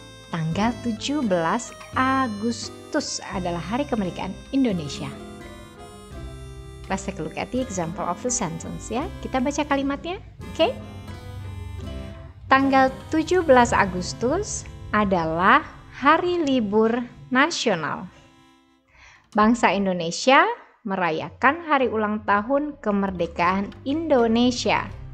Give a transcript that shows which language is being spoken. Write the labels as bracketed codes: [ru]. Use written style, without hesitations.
[id] Tanggal 17 Agustus adalah hari kemerdekaan Indonesia. [en] Let's take a look at the example of the sentence, ya. [id] Kita baca kalimatnya, oke? Okay? Tanggal 17 Agustus adalah hari libur nasional. Bangsa Indonesia merayakan hari ulang tahun kemerdekaan Indonesia.